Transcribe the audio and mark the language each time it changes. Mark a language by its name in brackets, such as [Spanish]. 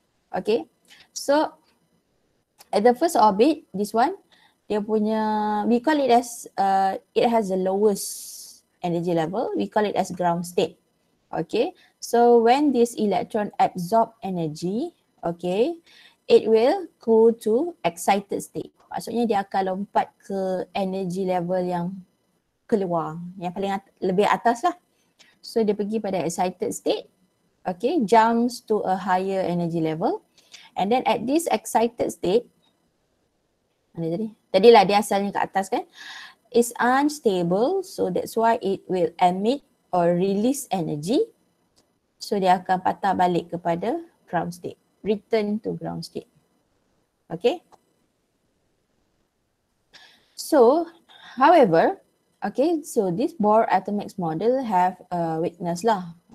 [English] Okay, so at the first orbit, this one, [Malay] dia punya, [English] we call it as, it has the lowest energy level. We call it as ground state. Okay, so when this electron absorb energy, okay, it will go to excited state. [Malay] Maksudnya dia akan lompat ke energy level yang keluar, yang paling lebih atas lah. So dia pergi pada [English] excited state, okay, jumps to a higher energy level. And then at this excited state, [Malay] mana tadi? Tadilah dia asalnya kat atas kan. [English] It's unstable, so that's why it will emit or release energy. [Malay] So dia akan patah balik kepada ground state, [English] return to ground state. [Malay] Okay. [English] So, however, okay, so this Bohr atomic model have a weakness lah.